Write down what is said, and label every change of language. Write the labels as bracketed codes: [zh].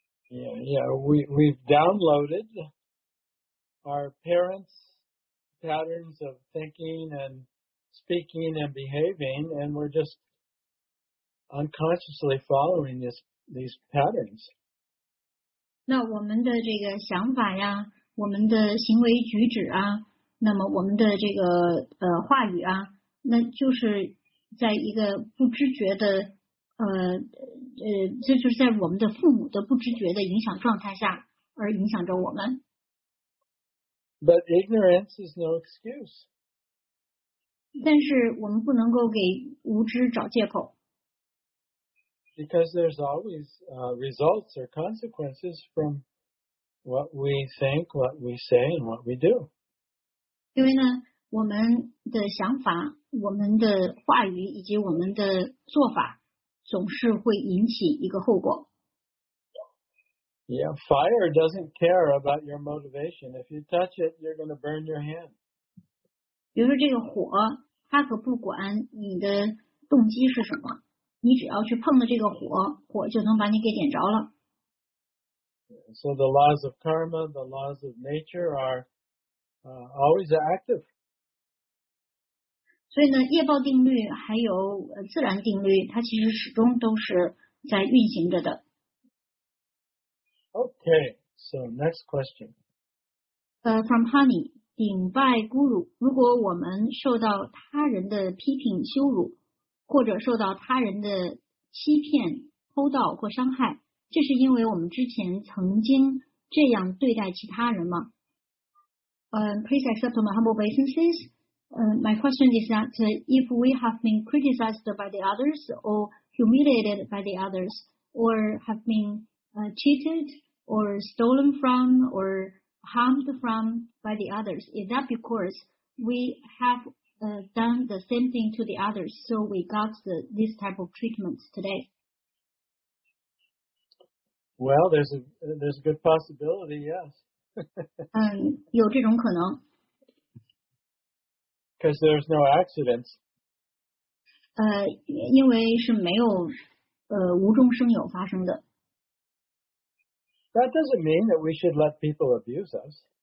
[en] Yeah, we've downloaded our parents' patterns of thinking and speaking and behaving, and we're just unconsciously following these patterns. [zh] 那我们的这个想法呀，我们的行为举止啊，那么我们的这个话语啊，那就是在一个不知觉的。这就是在我们的父母的不知觉的影响状态下而影响着我们。 [en] But ignorance is no excuse. [zh] 但是我们不能够给无知找借口。 [en] Because there's always results or consequences from what we think, what we say, and what we do. [zh] 因为呢，我们的想法、我们的话语以及我们的做法。总是会引起一个后果。 [en] Yeah, fire doesn't care about your motivation. If you touch it, you're going to burn your hand. [zh] 比如说这个火，它可不管你的动机是什么，你只要去碰了这个火，火就能把你给点着了。 [en] So the laws of karma, the laws of nature are always active. [zh] 所以呢，业报定律还有自然定律，它其实始终都是在运行着的。 [en] Okay, so next question. From Honey, [zh] 顶拜孤乳，如果我们受到他人的批评羞辱，或者受到他人的欺骗、偷盗或伤害，这是因为我们之前曾经这样对待其他人吗？ [en] Please accept my humble obeisances. My question is that if we have been criticized by the others or humiliated by the others or have been cheated or stolen from or harmed from by the others. Is that because we have done the same thing to the others, so we got this type of treatment today? Well, there's a good possibility, yes. [zh] 有这种可能。 [en] Because there's no accidents. [zh] 因为是没有无中生有发生的。 [en] That doesn't mean that we should let people abuse us.